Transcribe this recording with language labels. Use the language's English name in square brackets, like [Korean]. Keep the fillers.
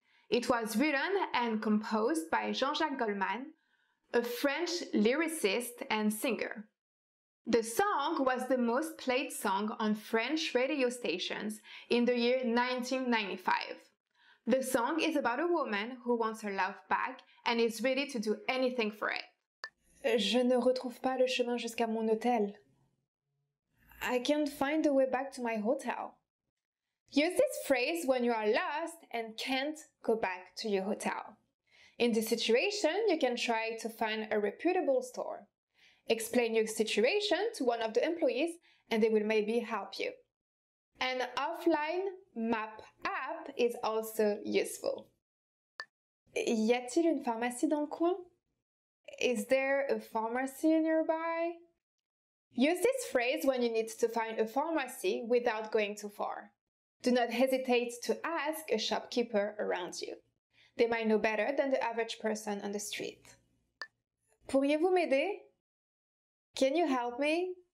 [English] It was written and composed by Jean-Jacques Goldman, a French lyricist and singer. The song was the most played song on French radio stations in the year 1995. The song is about a woman who wants her love back and is ready to do anything for it. [French] Je ne retrouve pas le chemin jusqu'à mon hôtel. [English] I can't find the way back to my hotel. Use this phrase when you are lost and can't go back to your hotel. In this situation, you can try to find a reputable store. Explain your situation to one of the employees and they will maybe help you. An offline map app is also useful. [French] Y a-t-il une pharmacie dans le coin? [English] Is there a pharmacy nearby? Use this phrase when you need to find a pharmacy without going too far. Do not hesitate to ask a shopkeeper around you. They might know better than the average person on the street. [French] Pourriez-vous m'aider? [English] Can you help me?